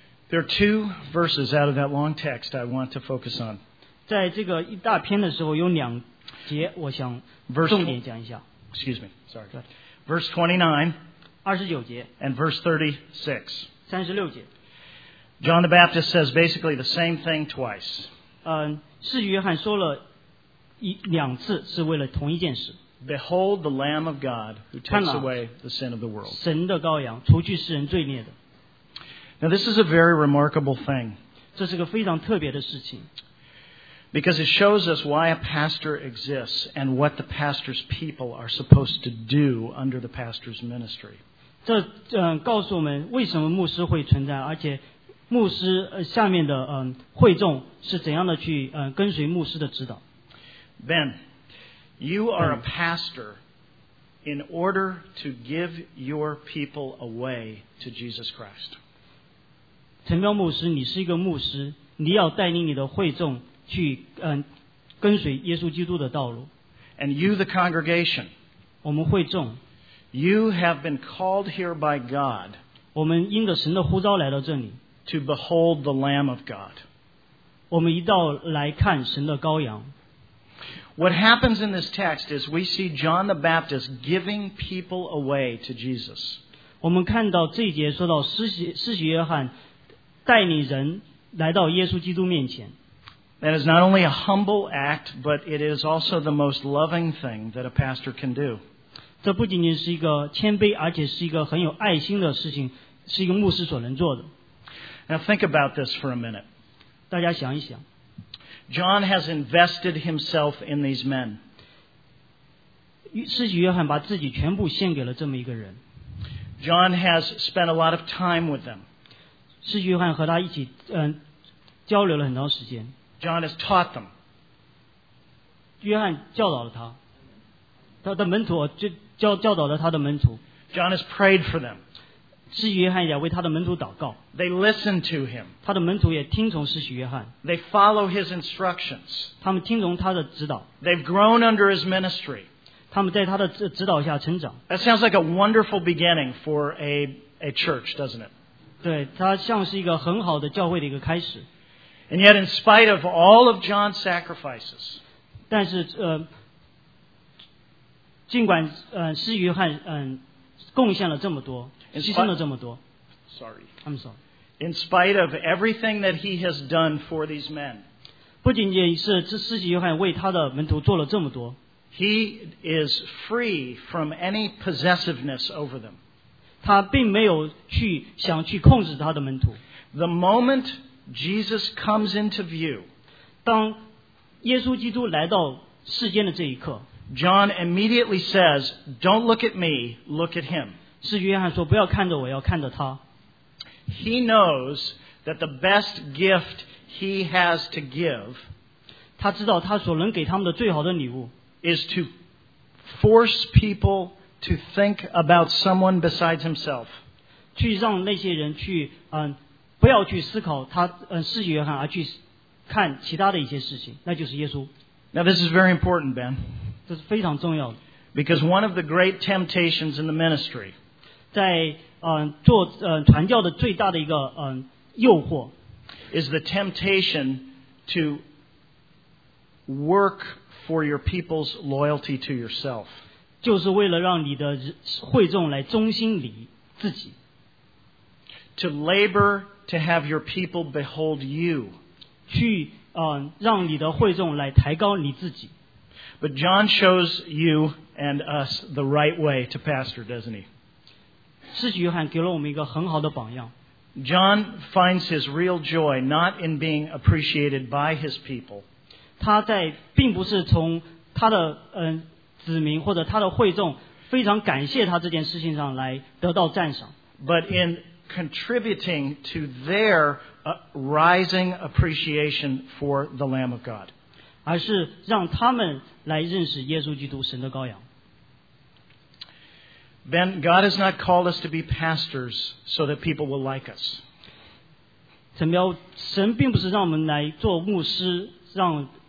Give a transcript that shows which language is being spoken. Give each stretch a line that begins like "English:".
English: There are two verses out of that long text I want to focus on.
Chinese: 在这个一大篇的时候，有两节我想重点讲一下。
English: Excuse me, sorry. Verse 29. And verse 36. John the Baptist says basically the same thing twice.
Chinese: 使徒约翰说了两次是为了同一件事。
English: Behold the Lamb of God who takes away the sin of the world.
Chinese: 神的羔羊除去世人罪孽的。
English: Now this is a very remarkable thing.
Chinese: 这是个非常特别的事情。
English: Because it shows us why a pastor exists and what the pastor's people are supposed to do under the pastor's ministry.
Chinese: 这告诉我们为什么牧师会存在，而且牧师下面的会众是怎样的去跟随牧师的指导。
English: Ben, you are a pastor in order to give your people away to Jesus Christ.
Chinese: 陈彪牧师，你是一个牧师，你要带领你的会众。去跟随耶稣基督的道路。
English: And you, the congregation,
Chinese: 我们会众
English: ，You have been called here by God.
Chinese: 我们因着神的呼召来到这里。
English: To behold the Lamb of God.
Chinese: 我们一道来看神的羔羊。
English: What happens in this text is we see John the Baptist giving people away to Jesus.
Chinese: 我们看到这一节说到施洗约翰带领人来到耶稣基督面前。
English: That is not only a humble act, but it is also the most loving thing that a pastor can do.
Chinese: 这不仅仅是一个谦卑，而且是一个很有爱心的事情，是一个牧师所能做的。
English: Now think about this for a minute.
Chinese: 大家想一想。
English: John has invested himself in these men.
Chinese: 施洗约翰把自己全部献给了这么一个人。
English: John has spent a lot of time with them.
Chinese: 施洗约翰和他一起交流了很长时间。
English: John has taught them.
Chinese: 约翰教导了他，他的门徒教导了他的门徒。
English: John has prayed for them.
Chinese: 施洗约翰也为他的门徒祷告。
English: They listen to him.
Chinese: 他的门徒也听从施洗约翰。
English: They follow his instructions.
Chinese: 他们听从他的指导。
English: They've grown under his ministry.
Chinese: 他们在他的指导下成长。
English: That sounds like a wonderful beginning for a church, doesn't it?
Chinese: 对，它像是一个很好的教会的一个开始。
English: And yet, in spite of all of John's sacrifices,
Chinese: 但是尽管施约翰贡献了这么多，牺牲了这么多。
English: Sorry, I'm sorry. In spite of everything that he has done for these men,
Chinese: 不仅仅是施约翰为他的门徒做了这么多。
English: He is free from any possessiveness over them.
Chinese: 他并没有去想去控制他的门徒。
English: The moment Jesus comes into view,
Chinese: 当耶稣基督来到世间的这一刻，
English: John immediately says, "Don't look at me, look at him."
Chinese: 是约翰说不要看着我，要看着他。
English: He knows that the best gift he has to give.
Chinese: 他知道他所能给他们的最好的礼物。
English: Is to force people to think about someone besides himself.
Chinese: 去让那些人去不要去思考他是约翰，而去看其他的一些事情，那就是耶稣。
English: Now this is very important, Ben.
Chinese: 这是非常重要的。
English: Because one of the great temptations in the ministry,
Chinese: 在做传教的最大的一个诱惑
English: ，is the temptation to work. For your people's loyalty to yourself,
Chinese: 就是为了让你的会众来忠心你自己。
English: To labor to have your people behold you,
Chinese: 去让你的会众来抬高你自己。
English: But John shows you and us the right way to pastor, doesn't he?
Chinese: 使徒约翰给了我们一个很好的榜样。
English: John finds his real joy not in being appreciated by his people.
Chinese: 他在并不是从他的子民或者他的会众非常感谢他这件事情上来得到赞赏
English: ，but in contributing to their rising appreciation for the Lamb of God，
Chinese: 而是让他们来认识耶稣基督神的羔羊。
English: Ben, God has not called us to be pastors so that people will like us。
Chinese: 陈彪，神并不是让我们来做牧师让。